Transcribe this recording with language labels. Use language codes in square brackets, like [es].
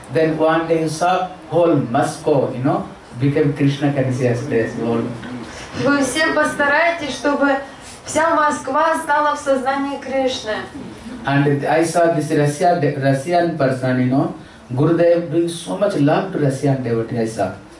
[en] Then one day you saw whole Moscow, you know, became Krishna conscious place. [ru] Вы все постарайтесь, чтобы вся Москва стала в сознании Кришны. [en] And I saw this Russian person, you know, Gurudev doing so much love to Russian devotee, I saw.